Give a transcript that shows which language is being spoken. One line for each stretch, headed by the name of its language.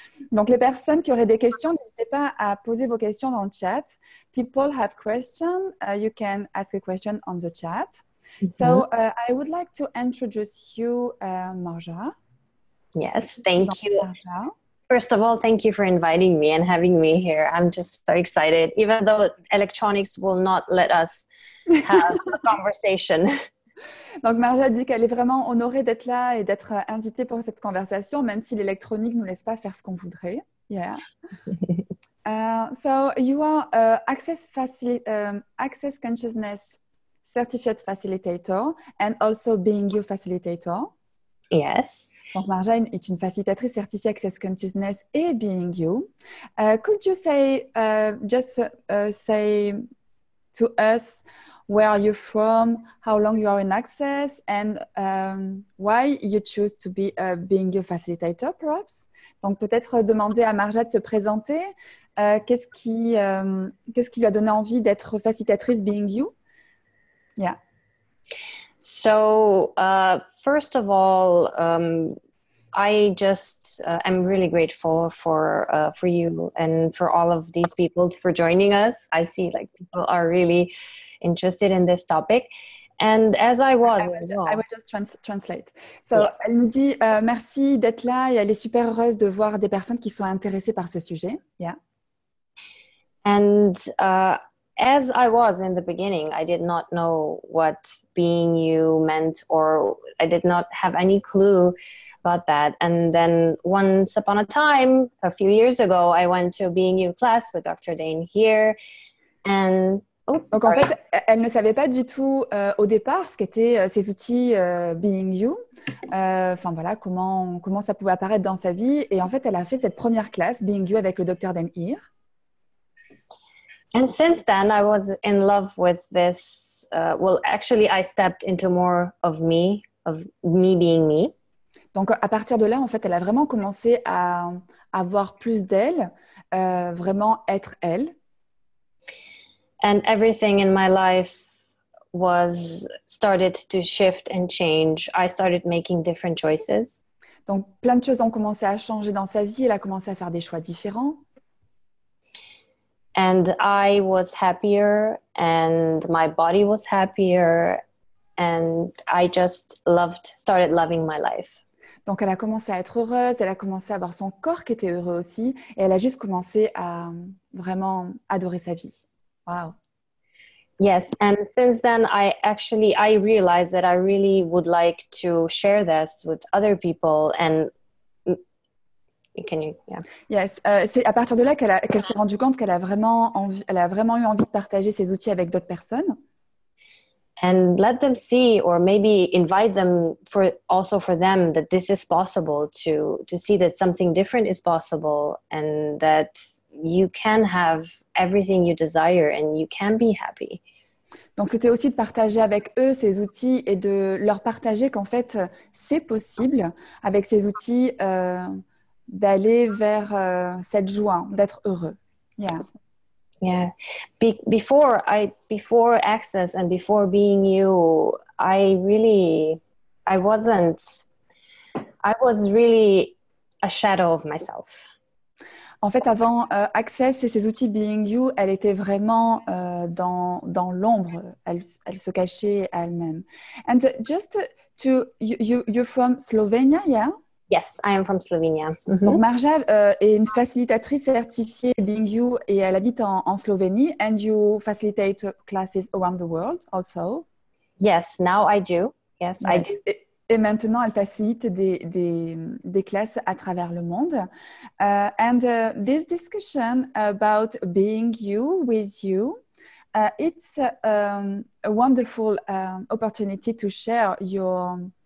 French: Donc, les personnes qui auraient des questions, n'hésitez pas à poser vos questions dans le chat.
English: People have questions. You can ask a question on the chat. Mm-hmm. So, I would like to introduce you, Marja. Yes, thank you. Marja. First of all, thank you for inviting me and having me here. I'm just so excited, even though electronics will not let us have a conversation.
French: Donc Marja dit qu'elle est vraiment honorée d'être là et d'être invitée pour cette conversation, même si l'électronique ne nous laisse pas faire ce qu'on voudrait.
English: Yeah. So you are Access Consciousness Certified Facilitator and also Being You Facilitator. Yes.
French: Donc Marja est une facilitatrice certifiée Access Consciousness et Being You.
English: Could you say, say to us, where are you from? How long you are in Access, and why you choose to be being a facilitator, perhaps?
French: Donc peut-être demander à Marja de se présenter. Qu'est-ce qui lui a donné envie d'être facilitatrice being you? Yeah.
English: So first of all, I just am really grateful for you and for all of these people for joining us. I see like people are really interested in this topic, and as I was, I will just translate. So, yeah.
French: Elle nous dit merci d'être là et elle est super heureuse de voir des personnes qui sont intéressées par ce sujet.
English: Yeah. And as I was in the beginning, I did not know what being you meant, or I did not have any clue about that. And then once upon a time, a few years ago, I went to a being you class with Dr. Dane here, and
French: Donc en fait, elle ne savait pas du tout au départ ce qu'étaient ces outils Being You. Enfin voilà, comment ça pouvait apparaître dans sa vie. Et en fait, elle a fait cette première classe Being You avec le docteur Dan Ear.
English: And since then, I was in love with this. Well, actually, I stepped into more of me being me.
French: Donc à partir de là, en fait, elle a vraiment commencé à avoir plus d'elle, vraiment être elle.
English: And everything in my life was started to shift and change. I started making different choices.
French: Donc, plein de choses ont commencé à changer dans sa vie. Elle a commencé à faire des choix différents.
English: And I was happier and my body was happier and I just started loving my life.
French: Donc, elle a commencé à être heureuse. Elle a commencé à avoir son corps qui était heureux aussi. Et elle a juste commencé à vraiment adorer sa vie.
English: Wow. Yes, and since then I realized that I really would like to share this with other people, and
French: Yes, c'est à partir de là qu'elle s'est rendue compte qu'elle a vraiment eu envie de partager ses outils avec d'autres personnes.
English: And let them see, or maybe invite them for also for them, that this is possible to see that something different is possible and that you can have everything you desire and you can be happy.
French: Donc c'était aussi de partager avec eux ces outils et de leur partager qu'en fait c'est possible avec ces outils d'aller vers cette joie, d'être heureux.
English: Yeah. Yeah, before Access and before being you, I was really a shadow of myself.
French: En fait, avant Access et ses outils being you, elle était vraiment dans l'ombre. Elle se cachait elle-même.
English: And just to you're from Slovenia, yeah? Yes, I am from Slovenia.
French: Mm-hmm. Donc Marja est une facilitatrice certifiée Being You et elle habite en Slovénie.
English: And you facilitate classes around the world also? Yes, now I do. Yes, I do.
French: Et maintenant, elle facilite des classes à travers le monde.
English: And this discussion about being you with you, it's a wonderful opportunity to share your